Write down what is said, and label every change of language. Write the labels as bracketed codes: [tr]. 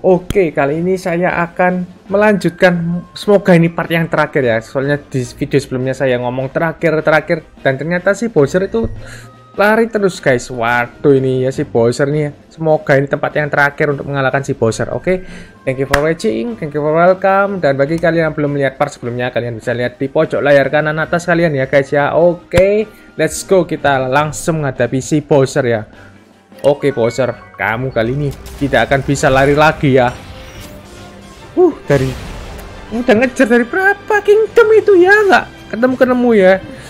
[id] Oke, kali ini saya akan melanjutkan, semoga ini part yang terakhir ya. Soalnya di video sebelumnya saya ngomong terakhir, dan ternyata si Bowser itu lari terus guys. Waduh, ini ya si Bowser nih ya. Semoga ini tempat yang terakhir untuk mengalahkan si Bowser. [en] Oke, thank you for watching, thank you for welcome. [id] Dan bagi kalian yang belum melihat part sebelumnya, kalian bisa lihat di pojok layar kanan atas kalian ya guys ya. Oke, [en] let's go, [id] kita langsung menghadapi si Bowser ya. Oke Bowser, kamu kali ini tidak akan bisa lari lagi ya. Dari udah ngejar dari berapa kingdom itu ya, nggak ketemu ya.